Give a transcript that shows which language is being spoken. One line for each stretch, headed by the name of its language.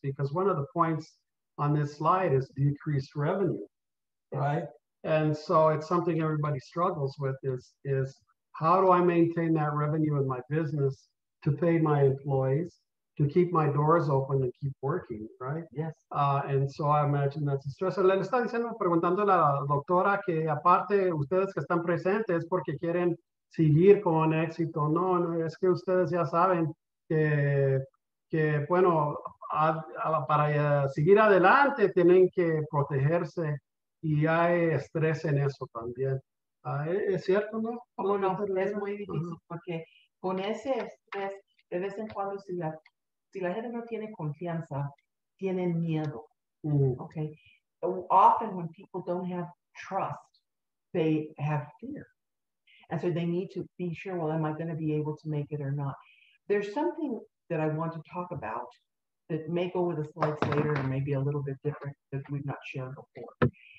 English: Because one of the points on this slide is decreased revenue, right? And so it's something everybody struggles with is how do I maintain that revenue in my business to pay my employees, to keep my doors open and keep working, right? Yes. And so I imagine that's a stress.
Spanish: Le está diciendo, preguntando a la doctora que aparte ustedes que están presentes porque quieren seguir con éxito. No, no, es que ustedes ya saben que bueno, para seguir adelante tienen que protegerse y hay estrés en eso también. ¿Es cierto, no? No, no, es muy difícil porque con ese estrés, de vez en cuando, si la gente no tiene confianza, tienen miedo.
English: Okay. Often when people don't have trust, they have fear. And so they need to be sure, well, am I going to be able to make it or not? There's something that I want to talk about that may go with the slides later and maybe a little bit different that we've not shared before.